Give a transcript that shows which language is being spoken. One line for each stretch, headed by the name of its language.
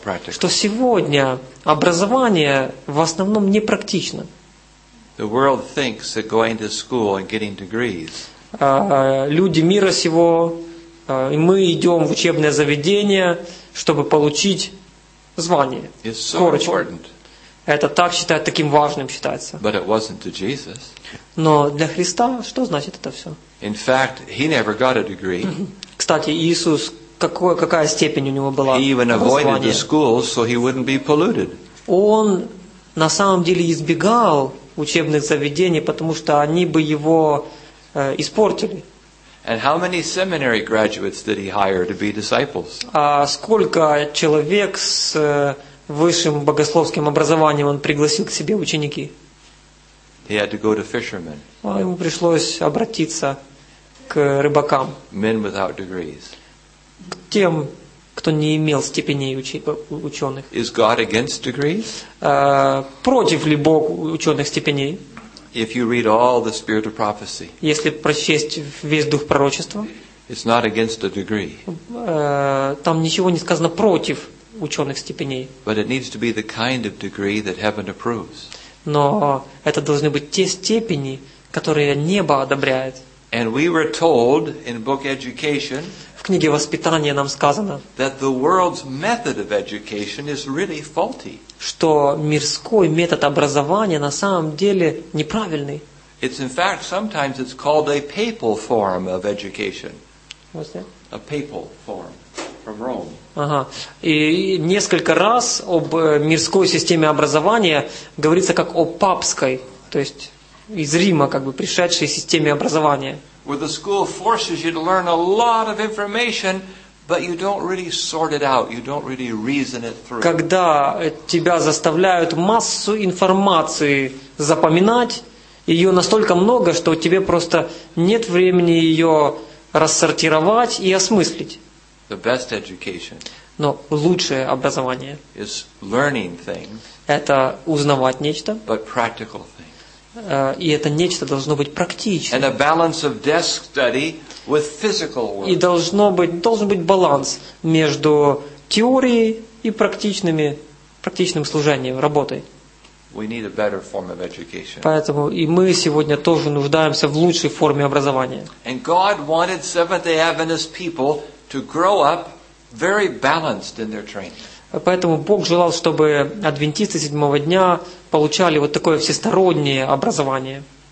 Russian: Что сегодня образование в основном не практично.
English: The world thinks that going to school and getting degrees.
Russian: Люди мира сего, и мы идем в учебное заведение, чтобы получить звание, корочку. Это так считают, таким важным считается.
English: But it wasn't to Jesus.
Russian: Но для Христа что значит это все?
English: In fact, he never got a degree.
Russian: Кстати, Иисус, какая степень у него была?
English: He even avoided the schools so he wouldn't be polluted.
Russian: Он на самом деле избегал учебных заведений, потому что они бы его испортили.
English: And how many seminary graduates did he hire to be disciples?
Russian: А сколько человек с высшим богословским образованием он пригласил к себе ученики?
English: He had to go to fishermen.
Russian: Ему пришлось обратиться к рыбакам.
English: Men without degrees.
Russian: К тем, кто не имел степеней ученых.
English: Is God against degrees?
Russian: Против ли Бог ученых степеней?
English: If you read all the spirit of prophecy,
Russian: если прочесть весь дух пророчества,
English: it's not against a degree.
Russian: Там ничего не сказано против ученых степеней.
English: But it needs to be the kind of degree that heaven approves.
Russian: Но это должны быть те степени, которые небо одобряет.
English: And we were told in book education.
Russian: В книге «Воспитание» нам сказано,
English: that the world's method of education is really faulty.
Russian: Что мирской метод образования на самом деле неправильный.
English: It's in fact sometimes it's called a papal form of education. What's that? A papal form from Rome.
Russian: Ага. И несколько раз об мирской системе образования говорится как о папской, то есть из Рима как бы пришедшей системе образования.
English: Where the school forces you to learn a lot of information, but you don't really sort it out, you don't really reason it through.
Russian: Когда тебя заставляют массу информации запоминать, ее настолько много, что тебе просто нет времени ее рассортировать и осмыслить.
English: The best education.
Russian: Но лучшее образование.
English: Is learning things.
Russian: Это узнавать нечто.
English: But practical things.
Russian: И это нечто должно быть практичным. И должен быть баланс между теорией и практичным служением, работой.
English: We need a better form of education.
Russian: Поэтому и мы сегодня тоже нуждаемся в лучшей форме образования.
English: And God wanted Seventh-day Adventist people to grow up very balanced in their training.
Russian: Поэтому Бог желал, чтобы адвентисты седьмого дня получали вот такое всестороннее образование.